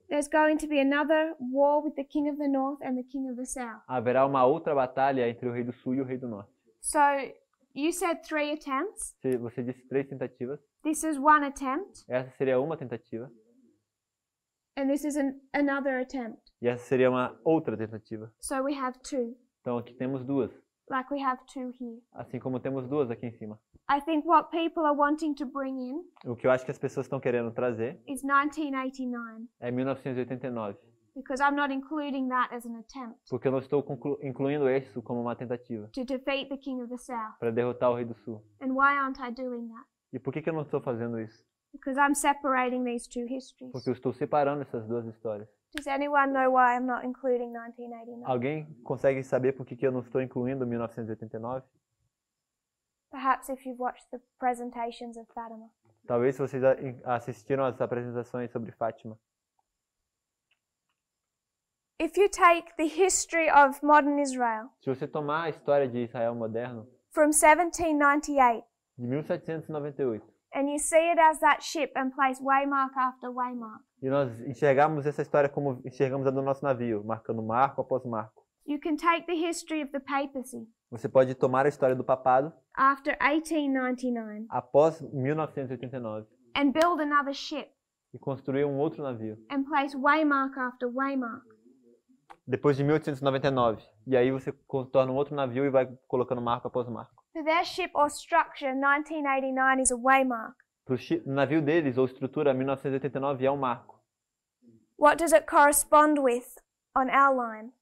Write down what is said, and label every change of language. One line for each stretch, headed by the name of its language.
English: There's going to be another war with the King of the North and the King of the South.
Portuguese: Haverá uma outra batalha entre o Rei do Sul e o Rei do Norte.
English: So you said three attempts.
Portuguese: Você disse três tentativas.
English: This is one attempt.
Portuguese: Essa seria uma tentativa.
English: And this is another attempt.
Portuguese: E essa seria uma outra tentativa.
English: So we have two.
Portuguese: Então aqui temos duas.
English: Like we have two here.
Portuguese: Assim como temos duas aqui em cima.
English: I think what people are wanting to bring in.
Portuguese: O que eu acho que as pessoas estão querendo trazer.
English: Is 1989.
Portuguese: É 1989.
English: Because I'm not including that as an attempt.
Portuguese: Porque eu não estou incluindo isso como uma tentativa.
English: To defeat the King of the South.
Portuguese: Para derrotar o Rei do Sul.
English: And why aren't I doing that?
Portuguese: E por que eu não estou fazendo isso?
English: Because I'm separating these two histories.
Portuguese: Porque eu estou separando essas duas histórias.
English: Does anyone know why I'm not including 1989?
Portuguese: Alguém consegue saber por que eu não estou incluindo 1989?
English: Perhaps if you've watched the presentations of Fatima.
Portuguese: Talvez vocês assistiram as apresentações sobre Fátima.
English: If you take the history of modern Israel.
Portuguese: Se você tomar a história de Israel moderno.
English: From 1798.
Portuguese: De 1798.
English: And you see it as that ship and place waymark after waymark.
Portuguese: E nós enxergamos essa história como enxergamos a do nosso navio, marcando marco após marco.
English: You can take the history of the papacy.
Portuguese: Você pode tomar a história do papado.
English: After 1899.
Portuguese: Após 1989.
English: And build another ship.
Portuguese: E construir um outro navio.
English: And place Waymark after Waymark.
Portuguese: Depois de 1899. E aí você torna um outro navio e vai colocando marco após marco.
English: So their ship or structure, 1989, is a Waymark.
Portuguese: Pro navio deles ou estrutura, 1989 é um marco.
English: What does it correspond with on our line?